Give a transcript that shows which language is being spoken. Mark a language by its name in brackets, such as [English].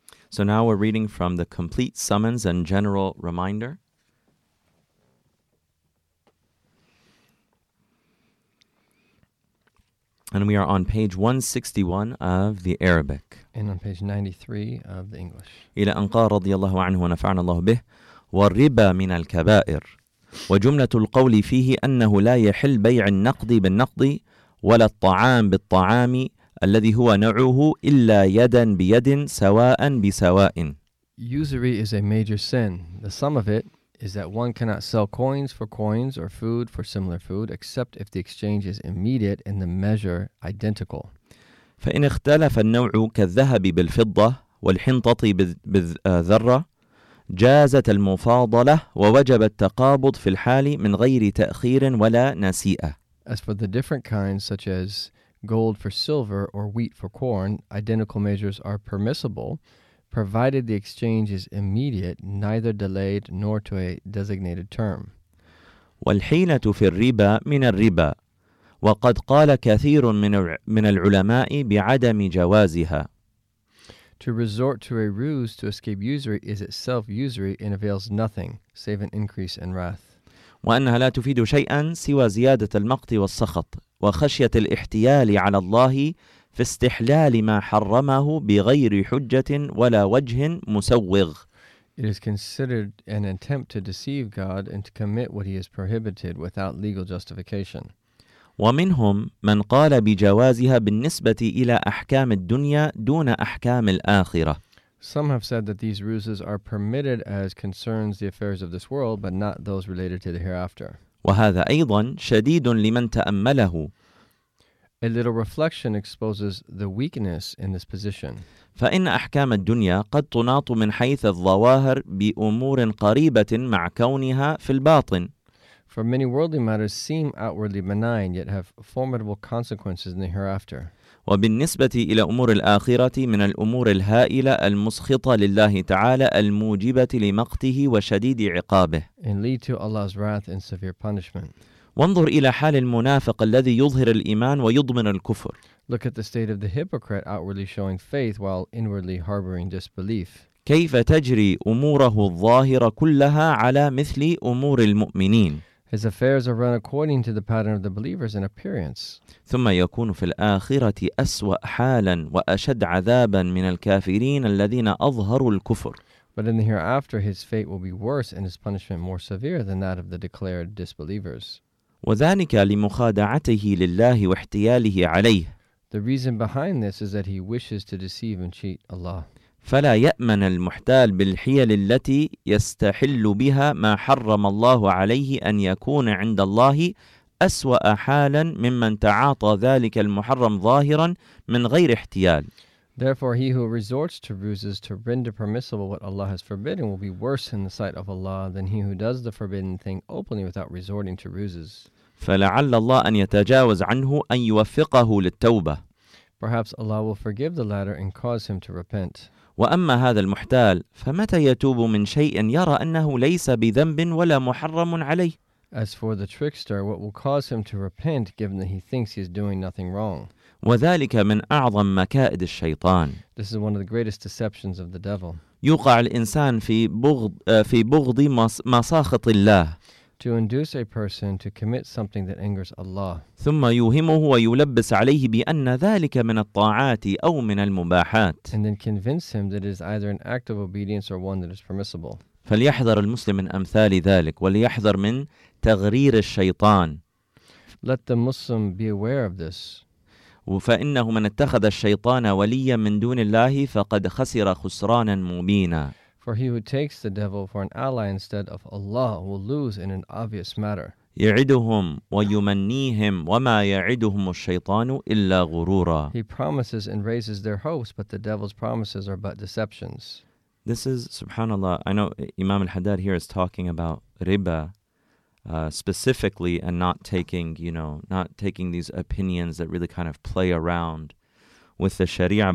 [English] So now we're reading from the complete summons and general reminder. And we are on page 161 of the Arabic. And on page 93 of the English. [Arabic] إلى أن قال رضي الله عنه ونفعنا الله به والربا من الكبائر وجملة القول فيه أنه لا يحل بيع النقد بالنقد ولا الطعام بالطعام الذي هو نوعه إلا يدا بيد سواء بسواء. [English] Usury is a major sin. The sum of it is that one cannot sell coins for coins or food for similar food except if the exchange is immediate and the measure identical. [Arabic] فإن اختلف النوع كالذهب بالفضة والحنطة بالذرة جازت المفاضلة ووجب التقابض في الحال من غير تأخير ولا نسيئة. [English] As for the different kinds such as gold for silver or wheat for corn, identical measures are permissible, provided the exchange is immediate, neither delayed nor to a designated term. [Arabic] والحيلة في الربا من الربا وقد قال كثير من العلماء بعدم جوازها. [English] To resort to a ruse to escape usury is itself usury and avails nothing save an increase in wrath. [Arabic] وأنها لا تفيد شيئا سوى زيادة المقت والسخط وخشية الاحتيال على الله في استحلال ما حرمه بغير حجة ولا وجه مسوغ. [English] It is considered an attempt to deceive God and to commit what he has prohibited without legal justification. [Arabic] ومنهم من قال بجوازها بالنسبة إلى أحكام الدنيا دون أحكام الآخرة. [English] Some have said that these ruses are permitted as concerns the affairs of this world but not those related to the hereafter. [Arabic] وهذا أيضا شديد لمن تأمله. [English] A little reflection exposes the weakness in this position. [Arabic] فإن أحكام الدنيا قد تناط من حيث الظواهر بأمور قريبة مع كونها في الباطن. [English] For many worldly matters seem outwardly benign yet have formidable consequences in the hereafter. [Arabic] وبالنسبة إلى أمور الآخرة من الأمور الهائلة المسخطة لله تعالى الموجبة لمقته وشديد عقابه. [English] And lead to Allah's wrath and severe punishment. [Arabic] وانظر إلى حال المنافق الذي يظهر الإيمان ويضمن الكفر. [English] Look at the state of the hypocrite outwardly showing faith while inwardly harboring disbelief. [Arabic] كيف تجري أموره الظاهرة كلها على مثل أمور المؤمنين. [English] His affairs are run according to the pattern of the believers in appearance. [Arabic] ثم يكون في الآخرة أسوأ حالا وأشد عذابا من الكافرين الذين أظهروا الكفر. [English] But in the hereafter, his fate will be worse and his punishment more severe than that of the declared disbelievers. [Arabic] وذلك لمخادعته لله واحتياله عليه. [English] The reason behind this is that he wishes to deceive and cheat Allah. [Arabic] فلا يأمن المحتال بالحيل التي يستحل بها ما حرم الله عليه أن يكون عند الله أسوأ حالا ممن تعاطى ذلك المحرم ظاهرا من غير احتيال. [English] Therefore he who resorts to ruses to render permissible what Allah has forbidden will be worse in the sight of Allah than he who does the forbidden thing openly without resorting to ruses. [Arabic] فلعل الله أن يتجاوز عنه أن يوفقه للتوبة. [English] Perhaps Allah will forgive the latter and cause him to repent. [Arabic] وأما هذا المحتال فمتى يتوب من شيء يرى أنه ليس بذنب ولا محرم عليه. [English] As for the trickster, what will cause him to repent given that he thinks he is doing nothing wrong. [Arabic] وذلك من أعظم مكائد الشيطان. [English] This is one of the greatest deceptions of the devil. [Arabic] يقع الإنسان في بغض مساخط الله. [English] To induce a person to commit something that angers Allah. [Arabic] ثم يوهمه ويلبس عليه بأن ذلك من الطاعات أو من المباحات. [English] And then convince him that it is either an act of obedience or one that is permissible. [Arabic] فليحذر المسلم من أمثال ذلك وليحذر من تغرير الشيطان. [English] Let the Muslim be aware of this. [Arabic] فإنه من اتخذ الشيطان وليا من دون الله فقد خسر خسرانا مبينا. [English] For he who takes the devil for an ally instead of Allah will lose in an obvious matter. [Arabic] يعدهم ويمنيهم وما يعدهم الشيطان إلا غرورا. [English] He promises and raises their hopes, but the devil's promises are but deceptions. This is, subhanAllah, I know Imam al-Haddad here is talking about riba specifically and not taking, you know, not taking these opinions that really kind of play around with the sharia.